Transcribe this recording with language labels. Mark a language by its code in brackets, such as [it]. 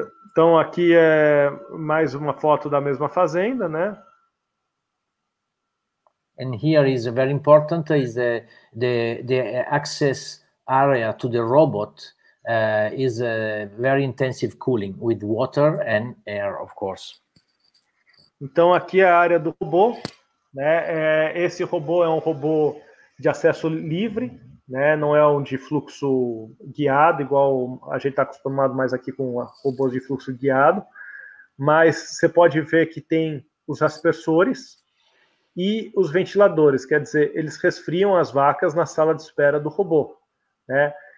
[pt] Então, aqui é mais uma foto da mesma fazenda, né? [en] And here is very important is the access area to the robot is a very intensive cooling with water and air, of course. [pt] Então, aqui é a área do robô, né? Esse robô é um robô de acesso livre, né? Não é um de fluxo guiado, igual a gente está acostumado mais aqui com robôs de fluxo guiado. Mas você pode ver que tem os aspersores e os ventiladores, quer dizer, eles resfriam as vacas na sala de espera do robô, né?